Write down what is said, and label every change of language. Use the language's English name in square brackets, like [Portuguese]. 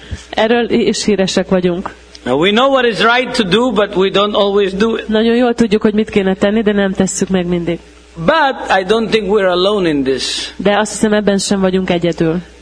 [Hungarian] Erről is híresek vagyunk. [English] We know what is right to do, but we don't always do it. [Hungarian] Nagyon jól tudjuk, hogy mit kéne tenni, de nem tesszük meg mindig. [English] But I don't think we're alone in this. [Hungarian] De azt hiszem, ebben sem vagyunk egyedül.